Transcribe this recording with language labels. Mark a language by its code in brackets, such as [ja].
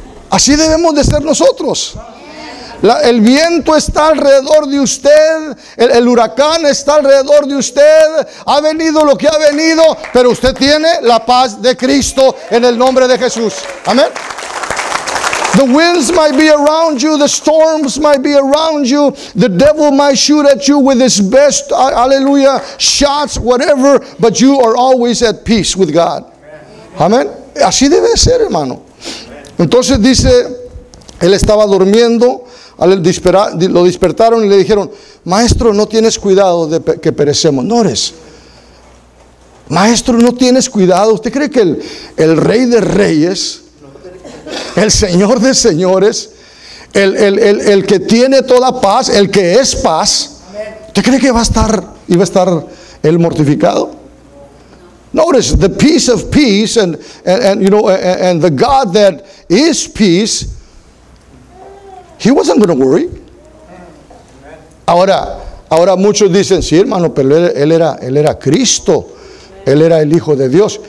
[es] Así debemos de ser nosotros. El viento está alrededor de usted, el huracán está alrededor de usted, ha venido lo que ha venido, pero usted tiene la paz de Cristo en el nombre de Jesús. Amén. [en] The winds might be around you, the storms might be around you, the devil might shoot at you with his best, hallelujah, shots, whatever, but you are always at peace with God. [es] Amén. Así debe ser, hermano. Entonces dice, él estaba durmiendo, lo despertaron y le dijeron, maestro, no tienes cuidado de que perecemos. No eres. Maestro, no tienes cuidado. ¿Usted cree que el rey de reyes, el Señor de señores, el que tiene toda paz, el que es paz, ¿te cree que iba a estar él mortificado? [en] Notice the peace of peace and you know and the God that is peace, he wasn't going to worry. [es] Ahora muchos dicen, sí, hermano, pero él era Cristo, él era el Hijo de Dios.